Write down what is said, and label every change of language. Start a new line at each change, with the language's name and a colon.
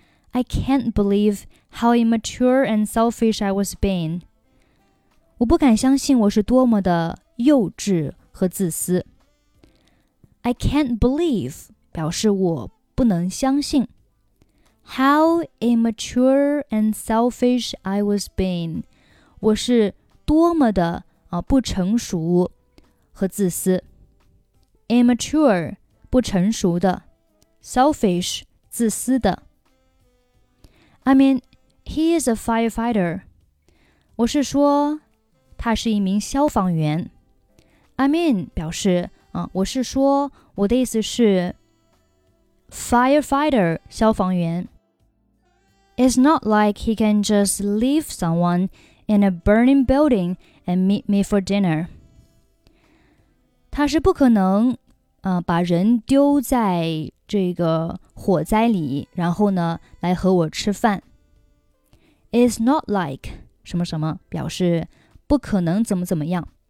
English: I can't believe how immature and selfish I was being.
Chinese: 我不敢相信我是多么的幼稚和自私。
English: I can't believe
Chinese: 表示我不能相信。
English: How immature and selfish I was being.
Chinese: 我是多么的不成熟和自私。 Immature 不成熟的。Selfish 自私的。
English: I mean, he is a firefighter.
Chinese: 我是说他是一名消防员。
English: I mean,
Chinese: 表示我是说我的意思是 firefighter, 消防员。
English: It's not like he can just leave someone in a burning building and meet me for dinner.
Chinese: 他是不可能把人丢在这个火灾里然后呢来和我吃饭。
English: It's not like
Chinese: 什么什么表示不可能怎么怎么样。